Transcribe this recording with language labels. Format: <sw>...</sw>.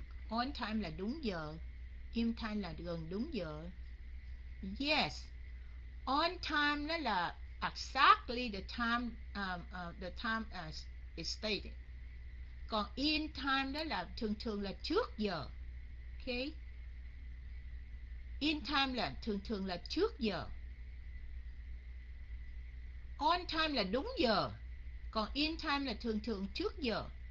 <vi>On time là đúng giờ, in time là gần đúng giờ.</vi> <en>Yes, on time</en> <vi>nó là</vi> <en>exactly the time the time as is stated.</en> <vi>Còn in time đó là thường thường là trước giờ. Okay, in time là thường thường là trước giờ. On time là đúng giờ, còn in time là thường thường trước giờ.</vi>